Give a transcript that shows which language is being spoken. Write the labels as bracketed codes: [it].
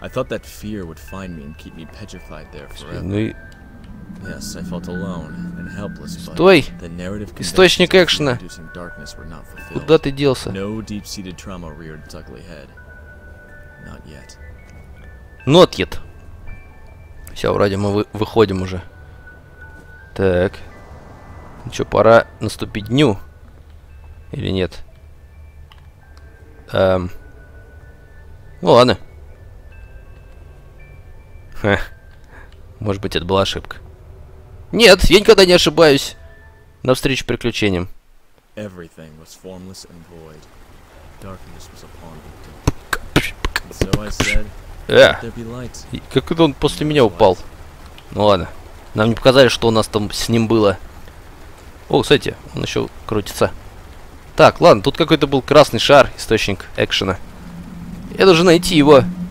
[en] I thought that fear would find me and keep me petrified there forever. [ru] Ну и... [en] Yes, I felt alone and helpless. [ru] Стой! Источник экшена! Куда ты делся? [en] No deep-seated trauma reared its ugly head. Not yet. Not yet. [ru] Все, вроде мы выходим уже. Так. Ну что, пора наступить дню? Или нет? Ну ладно. Ха. Может быть, это была ошибка. Нет, я никогда не ошибаюсь. Навстречу приключениям. [en] Everything was formless and void. Darkness was upon me. And so I said, [ru] как это он после меня упал? Ну ладно. Нам не показали, что у нас там с ним было. О, кстати, он еще крутится. Так, ладно, тут какой-то был красный шар, источник экшена. Я должен найти его.